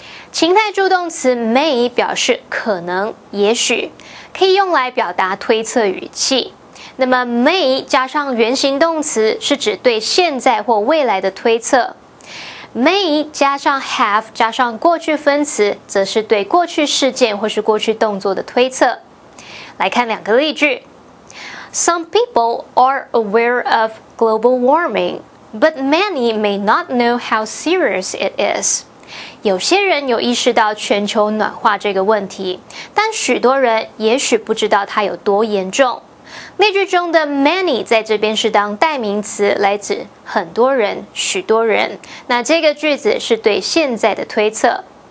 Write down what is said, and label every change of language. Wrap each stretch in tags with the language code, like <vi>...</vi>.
<zh>情态助动词 may 表示可能、也许，可以用来表达推测语气。那么 may 加上原形动词是指对现在或未来的推测， may 加上 have 加上过去分词则是对过去事件或是过去动作的推测。来看两个例句。</zh> <en>Some people are aware of global warming, but many may not know how serious it is.</en> <zh>有些人有意识到全球暖化这个问题，但许多人也许不知道它有多严重。例句中的 many 在这边是当代名词，来指很多人、许多人。那这个句子是对现在的推测。</zh>